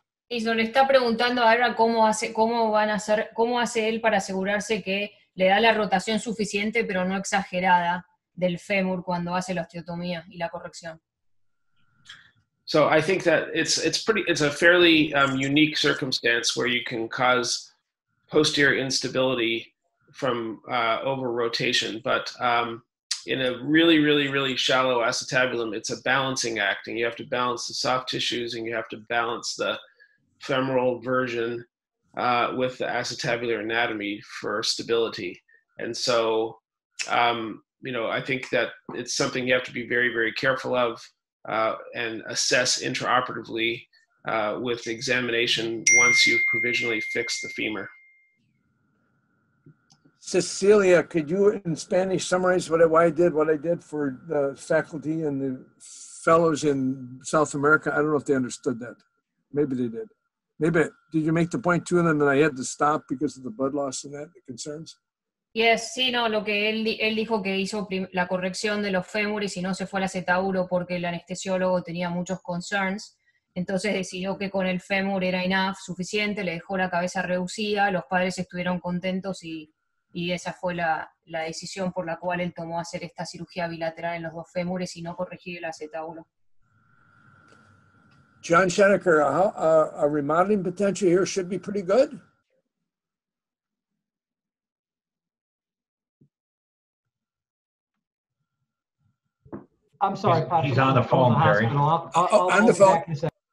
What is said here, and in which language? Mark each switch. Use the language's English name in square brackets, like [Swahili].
[Spanish] Eso, le está preguntando a Ira cómo hace él para asegurarse que le da la rotación suficiente, pero no exagerada, del fémur cuando hace la osteotomía y la corrección. [English] So I think that it's a fairly unique circumstance where you can cause posterior instability from over rotation, but in a really, really, really shallow acetabulum, it's a balancing act, and you have to balance the soft tissues and you have to balance the femoral version with the acetabular anatomy for stability. And so, I think that it's something you have to be very, very careful of and assess intraoperatively with examination once you've provisionally fixed the femur. Cecilia, could you in Spanish summarize what I did for the faculty and the fellows in South America? I don't know if they understood that. Maybe they did. Maybe, did you make the point to them that I had to stop because of the blood loss and that, the concerns? [Spanish] Yes, sí, no, lo que él dijo que hizo la corrección de los fémures y no se fue al acetábulo porque el anestesiólogo tenía muchos concerns. Entonces decidió que con el fémur era enough, suficiente, le dejó la cabeza reducida, los padres estuvieron contentos y esa fue la decisión por la cual él tomó hacer esta cirugía bilateral en los dos fémures y no corregir el acetábulo. [English] John Schoenecker, a remodeling potential here should be pretty good. I'm sorry, Patrick. He's on the phone, Perry.